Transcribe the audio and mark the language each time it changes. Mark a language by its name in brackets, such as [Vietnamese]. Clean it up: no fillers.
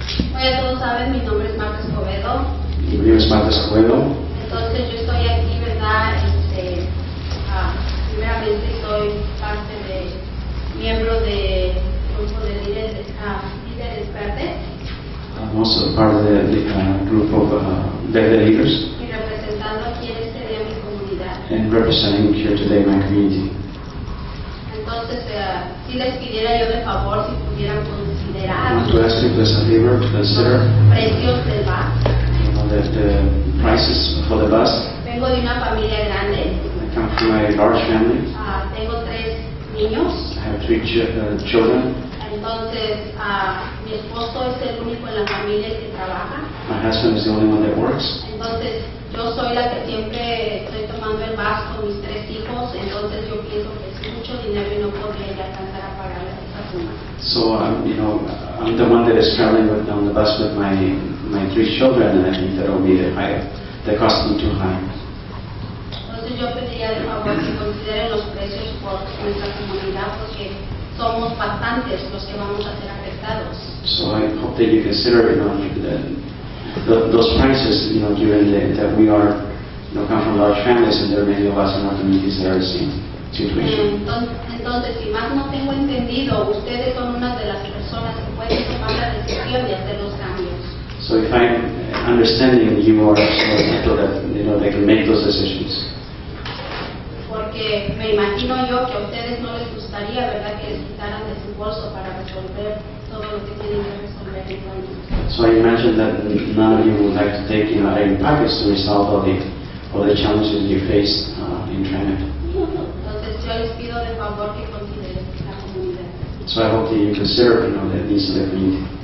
[Spanish] Hola a todos, saben, mi nombre es Marta Escobedo. Mi nombre es Marta Escobedo. Entonces, yo estoy aquí, ¿verdad? Primeramente, soy parte de miembro de grupo de líderes verde. [English] I'm also part of the group of leaders. [Spanish] Y representando aquí en este día mi comunidad. [English] And representing here today my community. [Spanish] Entonces, si les pidiera yo de favor, si pudieran considerar. [English] I want to ask you as a favor to consider. [Spanish] Precios del bus. [English] The prices for the bus. [Spanish] Vengo de una familia grande. [English] I come from a large family. [Spanish] Tengo tres niños. [English] I have three children. [Spanish] Entonces, mi esposo es el único en la familia que trabaja. [English] My husband is the only one that works. [Spanish] Entonces, yo soy la que siempre estoy tomando el bus con mis tres hijos. Entonces, yo pienso que es mucho dinero y no podría ya alcanzar a pagar esa suma. [English] So, I'm the one that is traveling on the bus with my three children, and I think that will be the cost will be too high. [Spanish] Yo pediría de favor que consideren los precios por nuestra comunidad porque somos bastantes los que vamos a ser afectados. [English] So I hope that you consider, those prices, given that we are, come from large families and there are many of us in our communities that are the same situation. [Spanish] Entonces, si más no tengo entendido, ustedes son una de las personas que pueden tomar la decisión de hacer los cambios. [English] So if I'm understanding, you are the people that, they can make those decisions. [Spanish] Porque me imagino yo que a ustedes no les gustaría, ¿verdad?, que les quitaran de su bolso para resolver todo lo que tienen que resolver en cuanto. [English] So I imagine that none of you would like to take any package to resolve all the challenges you face in TriMet. [Spanish] Entonces yo les pido de favor que consideren la comunidad. [English] So I hope that you consider, the needs of the community.